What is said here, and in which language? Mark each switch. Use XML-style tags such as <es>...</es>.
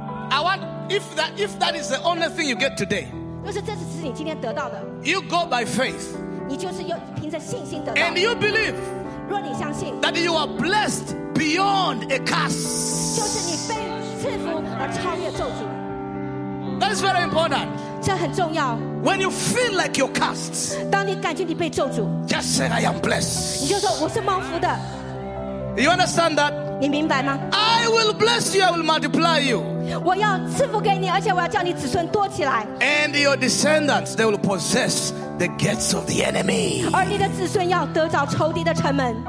<en>I want if that is the only thing you get today.</en> <zh>就是这是你今天得到的。</zh> <en>You go by faith.</en> <zh>你就是凭着信心得到。</zh> <en>And you believe.</en> <zh>若你相信。</zh> <en>That you are blessed beyond a curse.</en> <zh>就是你被赐福而超越咒诅。</zh> <en>That is very important.</en> <zh>这很重要。</zh> <en>When you feel like you're cursed,</en> <zh>当你感觉你被咒诅，</zh> <en>just say I am blessed.</en> <zh>你就说我是蒙福的。</zh> <en>You understand that?</en> <zh>你明白吗？</zh> <en>I will bless you. I will multiply you.</en> <zh>我要赐福给你，而且我要叫你子孙多起来。</zh> <en>And your descendants, they will possess the gates of the enemy.</en> <zh>而你的子孙要得着仇敌的城门。</zh>